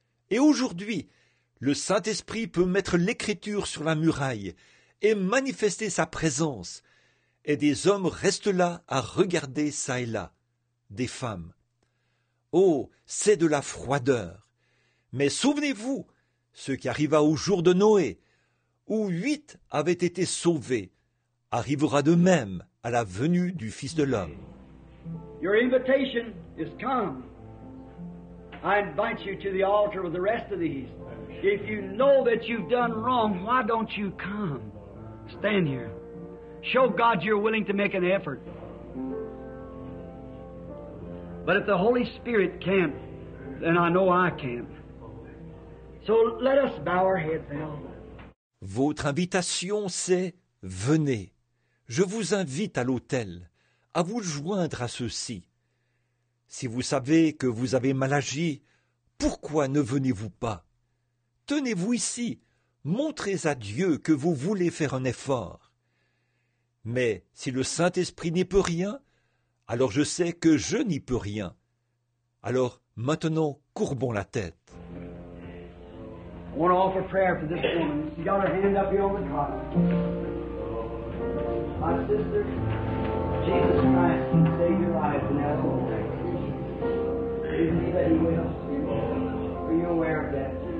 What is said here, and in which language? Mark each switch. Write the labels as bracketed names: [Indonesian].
[French] Et aujourd'hui, le Saint-Esprit peut mettre l'Écriture sur la muraille et manifester sa présence, et des hommes restent là à regarder çà et là, des femmes. Oh, c'est de la froideur! Mais souvenez-vous ce qui arriva au jour de Noé, où 8 avaient été sauvés, arrivera de même à la venue du Fils de l'homme. [English] Your invitation is come. I invite you to the altar with the rest of these. If you know that you've done wrong, why don't you come? Stand here. Show God you're willing to make an effort. But if the Holy Spirit can't, then I know I can't. So let us bow our heads now. [French] Votre invitation, c'est « Venez ». Je vous invite à l'autel, à vous joindre à ceux-ci. Si vous savez que vous avez mal agi, pourquoi ne venez-vous pas? Tenez-vous ici, montrez à Dieu que vous voulez faire un effort. Mais si le Saint-Esprit n'y peut rien, alors je sais que je n'y peux rien. Alors maintenant, courbons la tête. [English] I want to offer prayer for this woman. She got her hand up here on the cross. My sister, Jesus Christ can save your life in that moment. You believe that He will? Are you aware of that?